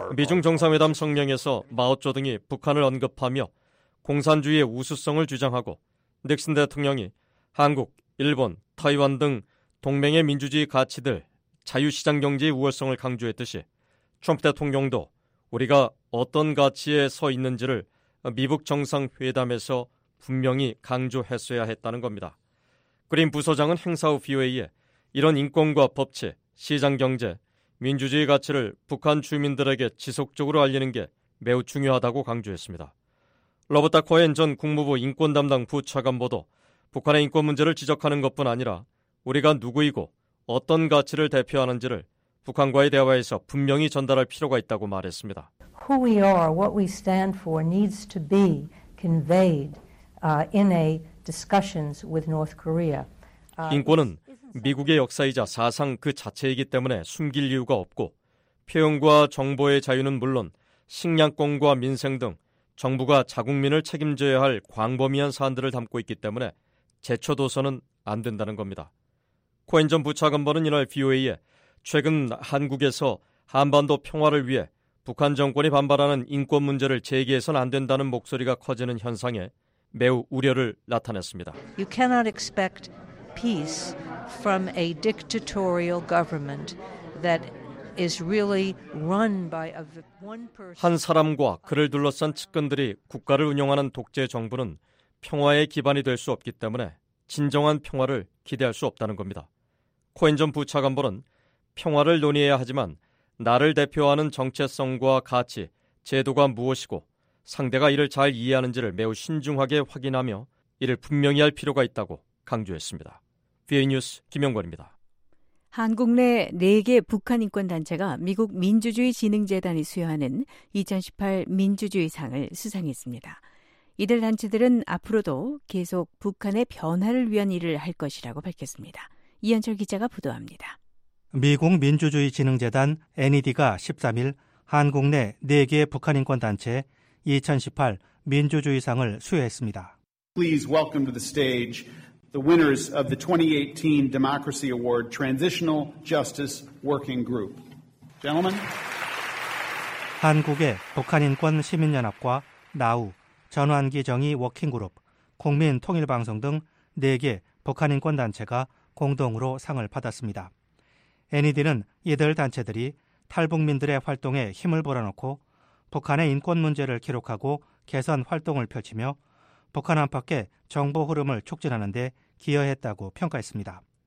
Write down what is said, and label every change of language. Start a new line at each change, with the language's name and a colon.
Korean: 미중 정상회담 성명에서 마오쩌둥이 북한을 언급하며 공산주의의 우수성을 주장하고 닉슨 대통령이 한국, 일본, 타이완 등 동맹의 민주주의 가치들, 자유시장 경제의 우월성을 강조했듯이 트럼프 대통령도 우리가 어떤 가치에 서 있는지를 미북 정상회담에서 분명히 강조했어야 했다는 겁니다. 그린 부소장은 행사 후 BOA에 이런 인권과 법치, 시장경제, 민주주의 가치를 북한 주민들에게 지속적으로 알리는 게 매우 중요하다고 강조했습니다. 로버타 코엔 전 국무부 인권담당 부차관보도 북한의 인권 문제를 지적하는 것뿐 아니라 우리가 누구이고 어떤 가치를 대표하는지를 북한과의 대화에서 분명히 전달할 필요가 있다고 말했습니다.
English: Who we are, what we stand for needs to be conveyed in a discussions with North Korea.
Korean: 인권은 미국의 역사이자 사상 그 자체이기 때문에 숨길 이유가 없고 표현과 정보의 자유는 물론 식량권과 민생 등 정부가 자국민을 책임져야 할 광범위한 사안들을 담고 있기 때문에 제쳐둬서는 안 된다는 겁니다. 코엔 전 부차관보는 이날 VOA에 최근 한국에서 한반도 평화를 위해 북한 정권이 반발하는 인권 문제를 제기해서는 안 된다는 목소리가 커지는 현상에 매우 우려를 나타냈습니다.
English: You cannot expect peace from a dictatorial government that is really run by a one person.
Korean: 한 사람과 그를 둘러싼 측근들이 국가를 운영하는 독재 정부는 평화의 기반이 될 수 없기 때문에 진정한 평화를 기대할 수 없다는 겁니다. 코엔 전 부차관보는 평화를 논의해야 하지만 나를 대표하는 정체성과 가치, 제도가 무엇이고 상대가 이를 잘 이해하는지를 매우 신중하게 확인하며 이를 분명히 할 필요가 있다고 강조했습니다. VOA 뉴스 김영권입니다. 한국 내 4개 북한 인권단체가 미국 민주주의진흥재단이 수여하는 2018 민주주의상을 수상했습니다. 이들 단체들은 앞으로도 계속 북한의 변화를 위한 일을 할 것이라고 밝혔습니다. 이현철 기자가 보도합니다. 미국 민주주의진흥재단 NED가 13일 한국 내 4개 북한인권단체 2018 민주주의상을 수여했습니다.
English: Please welcome to the stage the winners of the 2018 Democracy Award Transitional Justice Working Group. Gentlemen.
Korean: 한국의 북한인권시민연합과 나우, 전환기정의 워킹그룹, 국민통일방송 등 4개 북한인권단체가 공동으로 상을 받았습니다. NED는 이들 단체들이 탈북민들의 활동에 힘을 불어넣고 북한의 인권 문제를 기록하고 개선 활동을 펼치며 북한 안팎의 정보 흐름을 촉진하는 데 기여했다고 평가했습니다.